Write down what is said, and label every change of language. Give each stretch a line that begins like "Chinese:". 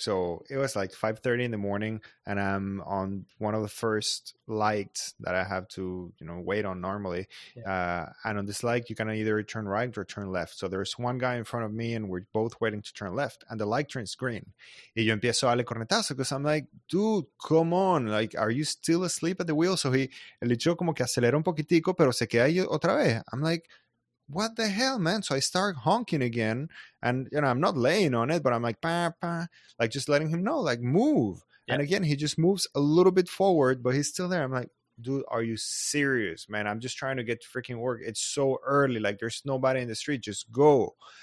English: So it was like 5:30 in the morning and I'm on one of the first lights that I have to, you know, wait on normally. Yeah. And on this light, you can either turn right or turn left. So there's one guy in front of me and we're both waiting to turn left and the light turns green.
Spanish: Y yo empiezo a darle cornetazo
English: because I'm like, dude, come on. Like, are you still asleep at the wheel? So he
Spanish: le echó como que acelera un poquitico, pero se queda ahí otra vez.
English: I'm like, what the hell, man? So I start honking again, and you know, I'm not laying on it, but I'm like, pah, pah, like just letting him know, like, move. Yeah. And again, he just moves a little bit forward, but he's still there. I'm like, dude, are you serious, man? I'm just trying to get to freaking work. It's so early, like, there's nobody in the street, just go.